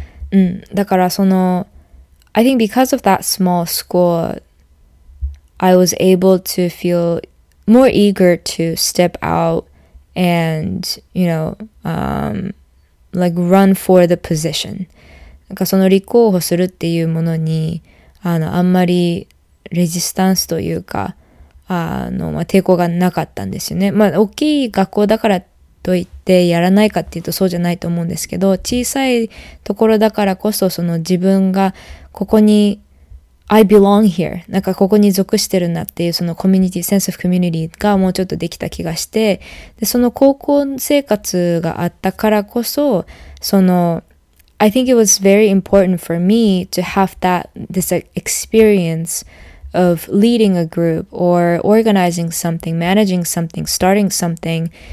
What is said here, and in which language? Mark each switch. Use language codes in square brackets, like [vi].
[en] うん、だからその、I think because of that small school, I was able to feel more eager to step out and, you know, like run for the position. [ja] なんかその立候補するっていうものに、あんまりレジスタンスというか、まあ、抵抗がなかったんですよね。まあ、大きい学校だからといってやらないかっていうとそうじゃないと思うんですけど、小さいところだからこそその自分がここに [en] I belong here. [ja] なんかここに属してるなっていうそのコミュニティ、sense of community がもうちょっとできた気がして、でその高校生活があったからこそ、その [en] I think it was very important for me to have that, this experience of leading a group or organizing something, managing something, starting something,